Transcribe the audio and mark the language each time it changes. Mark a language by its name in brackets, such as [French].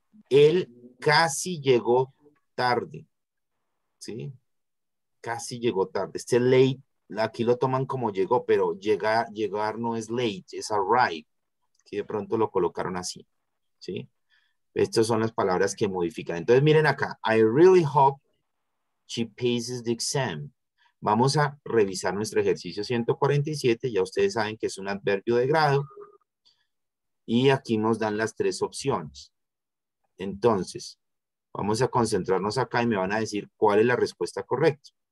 [Spanish] Él casi llegó tarde, ¿sí? Casi llegó tarde. Este late, aquí lo toman como llegó, pero llegar no es late, es arrive. Aquí de pronto lo colocaron así, ¿sí? Estas son las palabras que modifican. Entonces, miren acá. [English] I really hope she passes the exam. [Spanish] Vamos a revisar nuestro ejercicio 147. Ya ustedes saben que es un adverbio de grado. Y aquí nos dan las tres opciones. Entonces, vamos a concentrarnos acá y me van a decir cuál es la respuesta correcta.